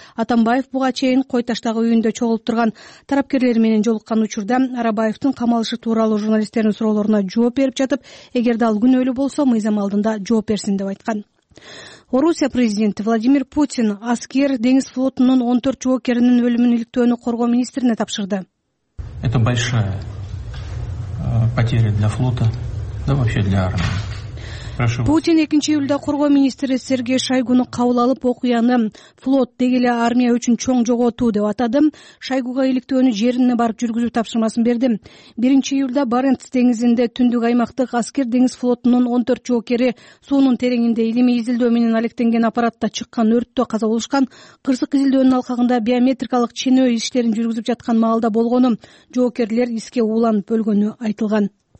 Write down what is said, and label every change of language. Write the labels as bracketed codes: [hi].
[ky] Атамбаев буга чейин кой таштагы үйүндө чогулуп турган тарапкерлери менен жолуккан учурда Арабаевдин камалышы тууралуу журналисттердин суроолоруна жооп берип жатып, эгерде ал күнөөлүү болсо мыйзам алдында жооп берсин деп айткан. Орусия президенти Владимир Путин аскер деңиз флотунун 14 жоокеринин өлүмүн иликтөөнү коргоо министрине тапшырды. [ru] Это большая потеря для флота, да вообще для армии. [ky] Путин 2 июлда коргоо министри Сергей Шойгуну кабыл алып, окуяны флот деги эле армия үчүн чоң жоготуу деп атады. Шойгуга иликтөөнү жерине барып жүргүзүү тапшырмасын берди. 1 июлда Баренц деңизинде түндүк аймактык аскер деңиз флотунун 14 жоокери суунун тереңинде илимий изилдөө менен алектенген аппаратта чыккан өрттө каза болушкан, кырсык изилдөөнүн алкагында биометрикалык чыныө иштерин жүргүзүп жаткан маалда болгону, жоокерлер иске уланып өлгөнү айтылган.